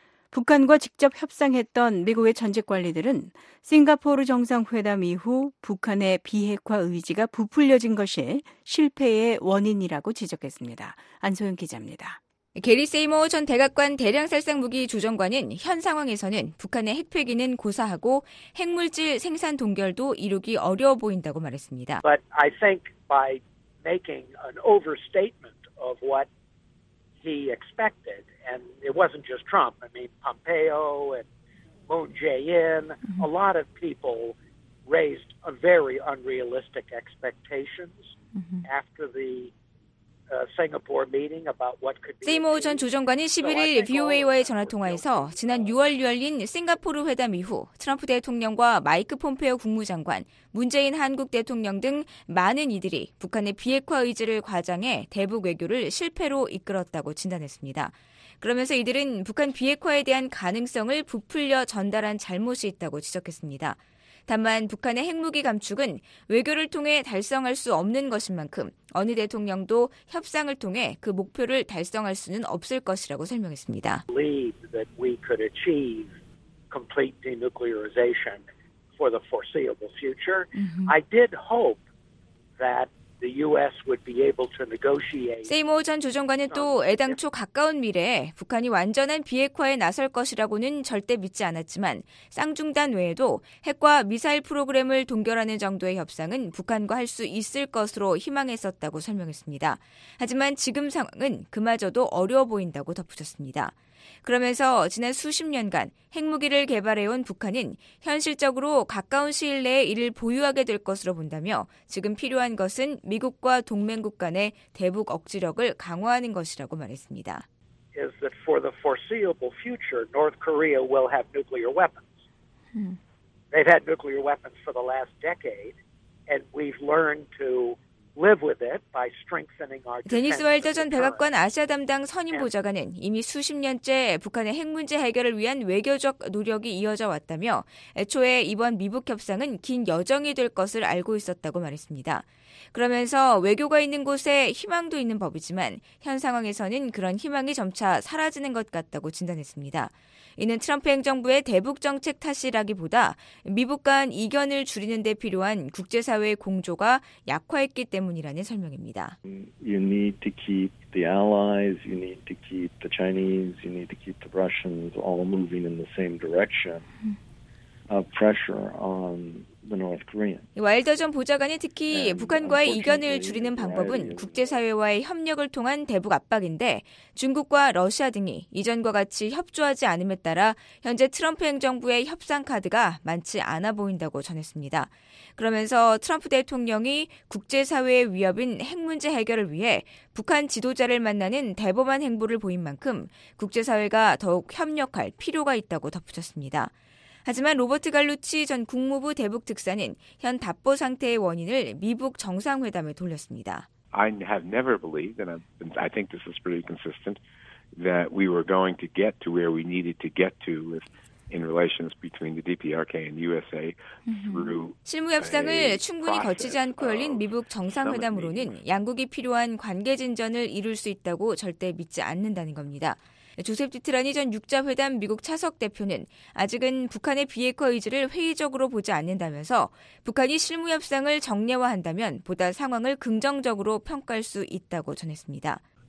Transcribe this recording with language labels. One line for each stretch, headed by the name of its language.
Korean: 북한과 직접 협상했던 미국의 전직 관리들은 싱가포르 정상회담 이후 북한의 비핵화 의지가 부풀려진 것이 실패의 원인이라고 지적했습니다. 안소영 기자입니다. 게리 세이머 전 대각관 대량살상무기 조정관은 현 상황에서는 북한의 핵폐기는 고사하고 핵물질 생산 동결도 이루기 어려워 보인다고 말했습니다.
English: But I think by making an overstatement of what he expected, and it wasn't just Trump. I mean, Pompeo and Moon Jae-in, a lot of people raised a very unrealistic expectations after the Singapore meeting about what could be.
Korean: 세이머 전 조정관이 11일 VOA와의 전화통화에서 지난 6월 열린 싱가포르 회담 이후 트럼프 대통령과 마이크 폼페이오 국무장관, 문재인 한국 대통령 등 많은 이들이 북한의 비핵화 의지를 과장해 대북 외교를 실패로 이끌었다고 진단했습니다. 그러면서 이들은 북한 비핵화에 대한 가능성을 부풀려 전달한 잘못이 있다고 지적했습니다. 다만 북한의 핵무기 감축은 외교를 통해 달성할 수 없는 것인 만큼 어느 대통령도 협상을 통해 그 목표를 달성할 수는 없을 것이라고 설명했습니다.
English: Believe that we could achieve complete denuclearization for the foreseeable future. I did hope that the U.S. would be able to negotiate.
Korean: 세이머 전 조정관은 또 애당초 가까운 미래에 북한이 완전한 비핵화에 나설 것이라고는 절대 믿지 않았지만 쌍중단 외에도 핵과 미사일 프로그램을 동결하는 정도의 협상은 북한과 할 수 있을 것으로 희망했었다고 설명했습니다. 하지만 지금 상황은 그마저도 어려워 보인다고 덧붙였습니다. 그러면서 지난 수십 년간 핵무기를 개발해온 북한은 현실적으로 가까운 시일 내에 이를 보유하게 될 것으로 본다며 지금 필요한 것은 미국과 동맹국 간의 대북 억지력을 강화하는 것이라고 말했습니다.
English: Is that for the foreseeable future, North Korea will have nuclear weapons. They've had nuclear weapons for the last decade, and we've learned to live with it by strengthening our defense.
Korean: 데니스 월더 전 백악관 아시아 담당 선임 보좌관은 이미 수십 년째 북한의 핵 문제 해결을 위한 외교적 노력이 이어져 왔다며 애초에 이번 미북 협상은 긴 여정이 될 것을 알고 있었다고 말했습니다. 그러면서 외교가 있는 곳에 희망도 있는 법이지만 현 상황에서는 그런 희망이 점차 사라지는 것 같다고 진단했습니다. 이는 트럼프 행정부의 대북 정책 탓이라기보다 미북 간 이견을 줄이는 데 필요한 국제사회의 공조가 약화했기 때문이라는 설명입니다.
English: You need to keep the allies, you need to keep the Chinese, you need to keep the Russians all moving in the same direction of pressure on the North Koreans.
Korean: 와일더 전 보좌관이 특히 북한과의 이견을 줄이는 방법은 국제사회와의 협력을 통한 대북 압박인데 중국과 러시아 등이 이전과 같이 협조하지 않음에 따라 현재 트럼프 행정부의 협상 카드가 많지 않아 보인다고 전했습니다. 그러면서 트럼프 대통령이 국제사회의 위협인 핵 문제 해결을 위해 북한 지도자를 만나는 대범한 행보를 보인 만큼 국제사회가 더욱 협력할 필요가 있다고 덧붙였습니다. 하지만 로버트 갈루치 전 국무부 대북 특사는 현 답보 상태의 원인을 미북 정상회담에 돌렸습니다.
English: I have never believed, and I think this is pretty consistent, that we were going to get to where we needed to get to with in relations between the DPRK and USA through
Korean: 실무 협상을 충분히 거치지 않고 열린 미북 정상회담으로는 양국이 필요한 관계 진전을 이룰 수 있다고 절대 믿지 않는다는 겁니다. 조셉 디트라니 전 6자회담 미국 차석 대표는 아직은 북한의 비핵화 의지를 회의적으로 보지 않는다면서 북한이 실무협상을 정례화한다면 보다 상황을 긍정적으로 평가할 수 있다고 전했습니다.